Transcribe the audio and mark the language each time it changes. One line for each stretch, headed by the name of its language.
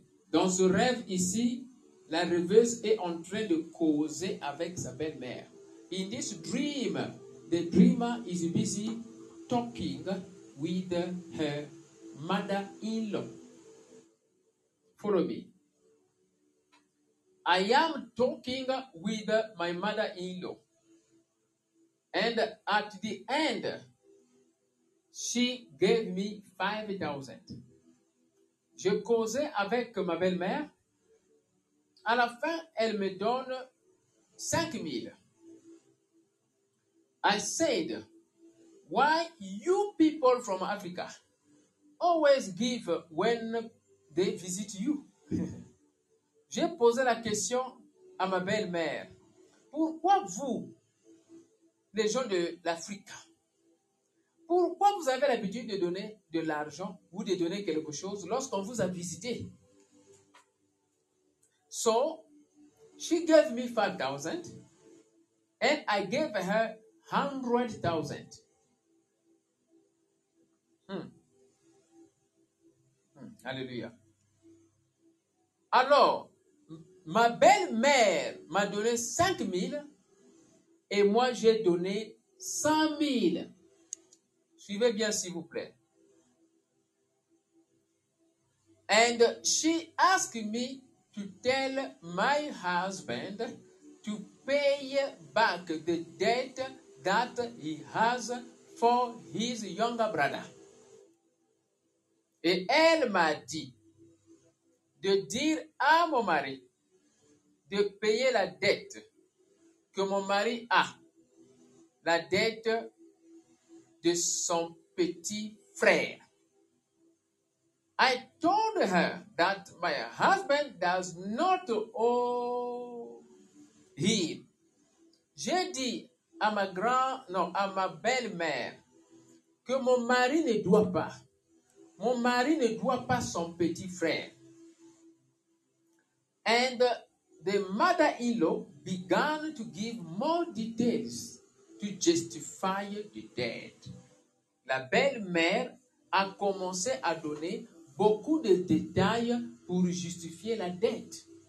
French: Dans ce rêve ici, la rêveuse est en train de causer avec sa belle-mère.
English: In this dream, the dreamer is busy talking with her mother-in-law. Follow me. I am talking with my mother-in-law. And at the end, she gave me 5,000.
French: Je causais avec ma belle-mère. À la fin, elle me donne 5,000.
English: I said, why you people from Africa always give when they visit you?
French: J'ai posé la question à ma belle-mère. Pourquoi vous, les gens de l'Afrique, pourquoi vous avez l'habitude de donner de l'argent ou de donner quelque chose lorsqu'on vous a visité?
English: So, she gave me 5,000 and I gave her 100,000. Alléluia.
French: Alors, ma belle-mère m'a donné 5,000 et moi j'ai donné 100,000. Suivez bien, s'il vous plaît.
English: And she asked me to tell my husband to pay back the debt that he has for his younger brother.
French: Et elle m'a dit de dire à mon mari de payer la dette que mon mari a, la dette de son petit frère.
English: I told her that my husband does not owe him.
French: J'ai dit à ma belle-mère que mon mari ne doit pas. Mon mari ne doit pas son petit frère.
English: And the mother-in-law began to give more details to justify the debt.
French: La belle-mère a commencé à donner beaucoup de détails pour justifier la dette.